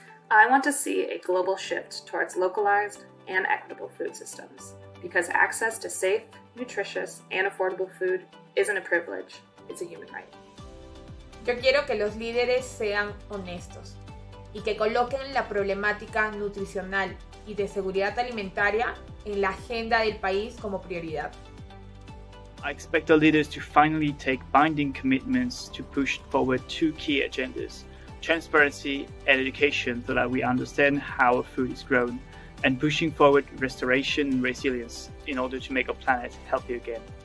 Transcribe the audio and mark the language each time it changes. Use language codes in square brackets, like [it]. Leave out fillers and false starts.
[en] I want to see a global shift towards localized and equitable food systems because access to safe, nutritious, and affordable food isn't a privilege, it's a human right. [es] Yo quiero que los líderes sean honestos y que coloquen la problemática nutricional y de seguridad alimentaria en la agenda del país como prioridad. [en] I expect the leaders to finally take binding commitments to push forward two key agendas: transparency and education, so that we understand how food is grown, and pushing forward restoration and resilience in order to make our planet healthy again.